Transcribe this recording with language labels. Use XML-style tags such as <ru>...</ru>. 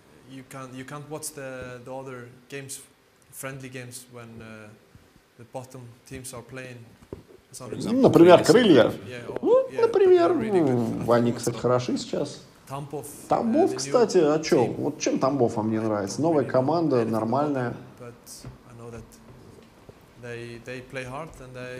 <en>You can't watch the other games, friendly games, when the bottom teams are playing.</en> <ru>Например, крылья. Yeah, например, они, кстати, хороши сейчас. Тамбов, кстати, о чем? Вот чем Тамбов вам не нравится? Новая команда, нормальная.</ru> <en>But I know that they play hard and</en>